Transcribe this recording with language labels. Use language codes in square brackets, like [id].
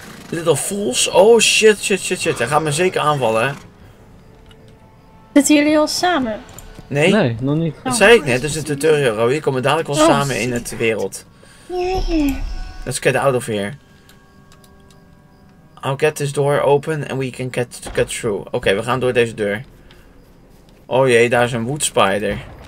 [en] Little fools. Oh shit, shit, shit, shit. [nl] Hij gaat me zeker aanvallen. Zitten jullie al samen? Nee. Nee, nog niet. Dat zei ik net, dat is een tutorial, Roy. Je komt dadelijk wel samen in het wereld. [en] Let's get out of here. I'll get this door open and we can cut through. [nl] Oké, we gaan door deze deur. Oh jee, daar is een wood spider.